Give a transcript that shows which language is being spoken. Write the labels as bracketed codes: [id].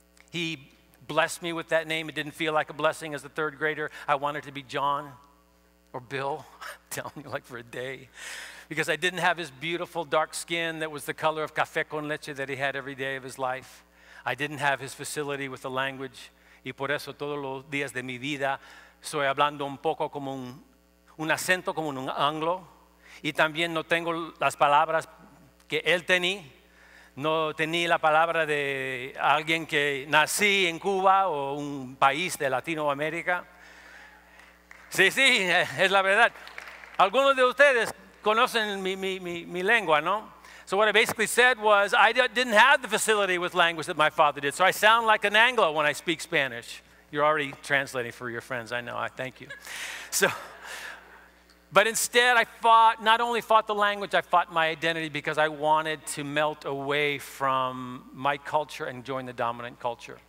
[en] He blessed me with that name. It didn't feel like a blessing as a third grader. I wanted to be John or Bill, tell me, like for a day. Because I didn't have his beautiful dark skin that was the color of café con leche that he had every day of his life. I didn't have his facility with the language. [es] Y por eso todos los días de mi vida soy hablando un poco como un acento como un anglo. Y también no tengo las palabras que él tenía. No tenía la palabra de alguien que nací en Cuba o un país de Latinoamérica. Sí, sí, es la verdad. Algunos de ustedes conocen mi lengua, no? [en] So what I basically said was I didn't have the facility with language that my father did. So I sound like an Anglo when I speak Spanish. You're already translating for your friends, I know. I thank you. But instead, I fought, not only fought the language, I fought my identity, because I wanted to melt away from my culture and join the dominant culture.